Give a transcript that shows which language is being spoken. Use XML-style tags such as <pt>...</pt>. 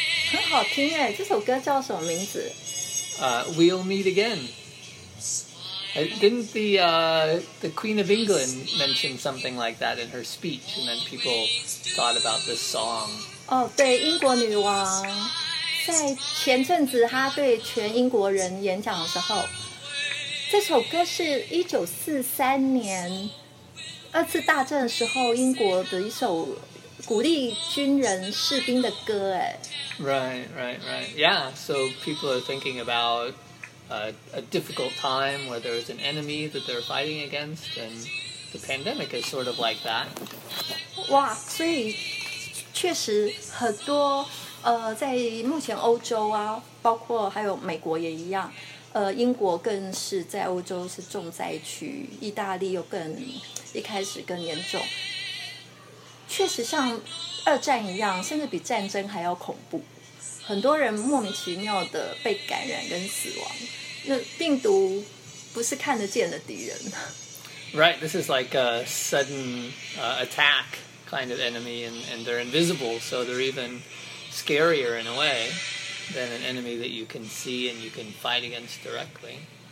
<zh>很好听哎，这首歌叫什么名字？</zh> <en>We'll Meet Again. Didn't the Queen of England mention something like that in her speech, and then people thought about this song?</en> <zh>Oh, 对，英国女王在前阵子她对全英国人演讲的时候，这首歌是1943年二次大战的时候英国的一首鼓励军人士兵的歌。哎</zh> <en>，Right. Yeah. So people are thinking about. A difficult time where there's an enemy that they're fighting against, and the pandemic is sort of like that.</en> <zh>哇，所以确实很多在目前欧洲啊，包括还有美国也一样，英国更是在欧洲是重灾区，意大利又更一开始更严重。确实像二战一样，甚至比战争还要恐怖。很多人莫名其妙的被感染跟死亡，那病毒不是看得见的敌人。</zh> <en>Right, this is like a sudden attack kind of enemy, and they're invisible, so they're even scarier in a way than an enemy that you can see and you can fight against directly.</en>